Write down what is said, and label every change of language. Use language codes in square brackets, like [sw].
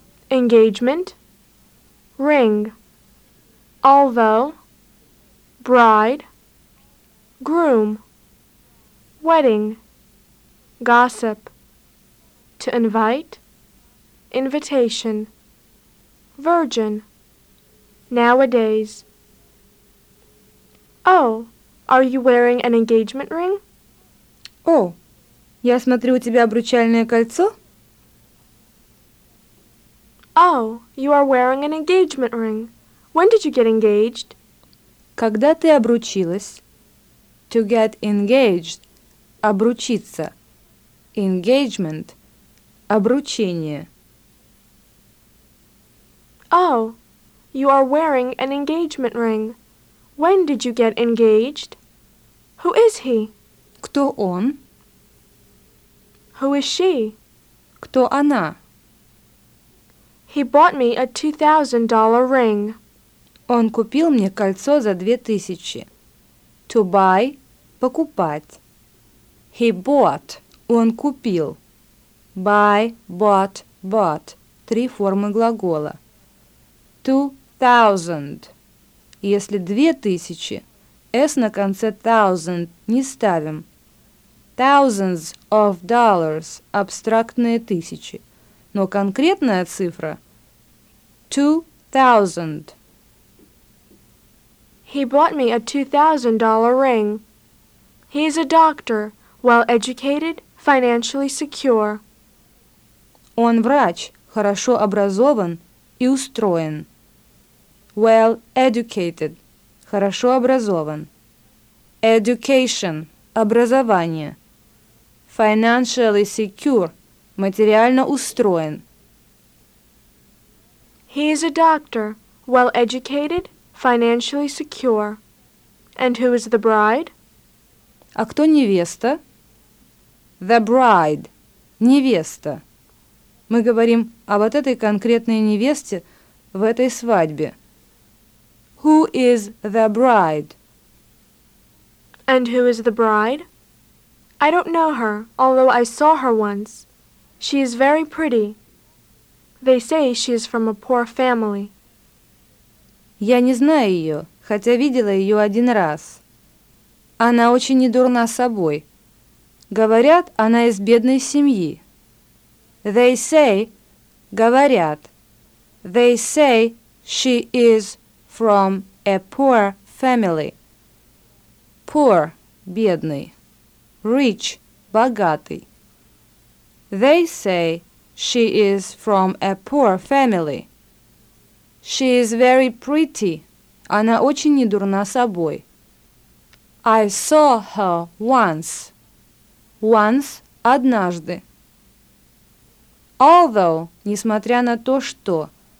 [en] Engagement. Ring. Although. Bride. Groom. Wedding. Gossip. To invite. Invitation. Virgin. Nowadays. Oh, are you wearing an engagement ring? [ru] Oh, я смотрю, у тебя обручальное кольцо. [en] Oh, you are wearing an engagement ring. When did you get engaged? [ru] Когда ты обручилась? [en] To get engaged. [ru] Обручиться. [en] Engagement. Обручение. Oh, you are wearing an engagement ring. When did you get engaged? Who is he? [ru] Кто он? [en] Who is she? [ru] Кто она? [en] He bought me a $2,000 ring. [ru] Он купил мне кольцо за 2000. [en] To buy – покупать. He bought [ru] – он купил. [en] Buy, bought, bought [ru] – три формы глагола. 2000. Если 2000, S на конце thousand не ставим. [en] Thousands of dollars – [ru] абстрактные тысячи. Но конкретная цифра – 2000. [en] He bought me a $2,000 ring. He is a doctor, well-educated, financially secure. [ru] Он врач, хорошо образован и устроен. Well-educated, хорошо образован. Education, образование. [en] Financially secure, [ru] материально устроен. [en] He is a doctor, well-educated, financially secure. And who is the bride? [ru] А кто невеста? [en] The bride. [ru] Невеста. Мы говорим о вот этой конкретной невесте в этой свадьбе. [en] Who is the bride? And who is the bride? I don't know her, although I saw her once. She is very pretty. They say she is from a poor family. [ru] Я не знаю ее, хотя видела ее один раз. Она очень недурна собой. Говорят, она из бедной семьи. [en] They say, говорят. They say she is from a poor family. [ru] Poor – бедный. Rich – богатый. [en] They say she is from a poor family. She is very pretty. [ru] Она очень недурна собой. [en] I saw her once. [ru] Once – однажды. Although – несмотря на то, что.